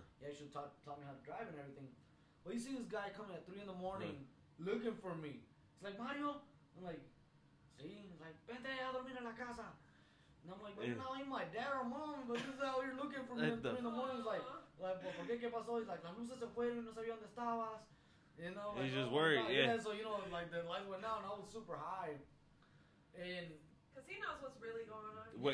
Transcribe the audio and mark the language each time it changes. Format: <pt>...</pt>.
<en>He actually taught me how to drive and everything. But you see this guy coming at 3 in the morning looking for me. He's like, Mario? I'm like, sí. He's like,</en> <es>vente a dormir en la casa.</es> <en>And I'm like, well, you're not like my dad or mom, but this is how you're looking for me at 3 in the morning. He's like,</en> <es>¿por qué? ¿Qué pasó?</es> <en>He's like,</en> <es>las luces se fueron, no sabía dónde estabas.</es> <en>You know? He's just worried, yeah. So, you know, like the light went out and I was super high. And he knows what's really going on.</en>